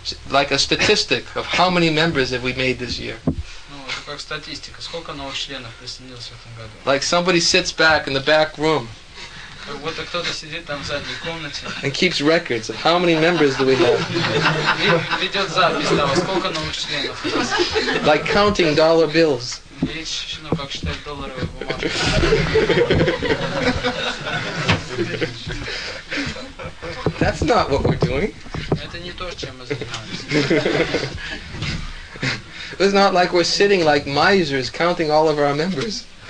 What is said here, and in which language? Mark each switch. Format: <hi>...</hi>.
<en>Like a statistic of how many members have we made this year.</en> <ru>Как статистика, сколько новых членов присоединилось в этом году?</ru> <en>Like somebody sits back in the back room.</en> <ru>Как будто кто-то сидит там в задней комнате.</ru> <en>And keeps records of how many members do we have.</en> <ru>Ведет запись того, сколько новых членов.</ru> <en>Like counting dollar bills.</en> <ru>Ну, как считать долларовые бумаги.</ru> <en>That's not what we're doing.</en> <ru>Это не то, чем мы занимаемся.</ru> <en>It's not like we're sitting like misers counting all of our members.</en>